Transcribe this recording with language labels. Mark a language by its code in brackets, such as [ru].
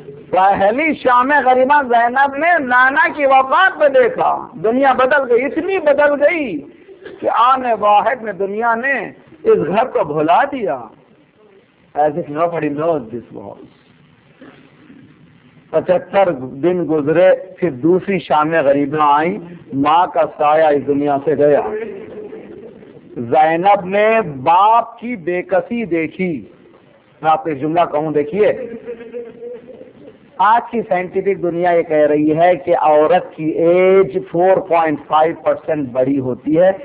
[ur] پہلی شام غریباں زینب نے نانا کی وفات میں دیکھا. دنیا بدل گئی, اتنی بدل گئی کہ آنے واحد میں دنیا نے اس گھر کو بھلا دیا. [en] As if nobody knows this world. [ur] 75 دن گزرے, پھر دوسری شام غریباں آئیں, ماں کا سایہ اس دنیا سے گیا. زینب نے باپ کی بے کسی دیکھی. میں آپ ایک جملہ کہوں, دیکھیے آج کی سائنٹیفک دنیا یہ کہہ رہی ہے کہ عورت کی ایج 4.5% بڑی ہوتی ہے.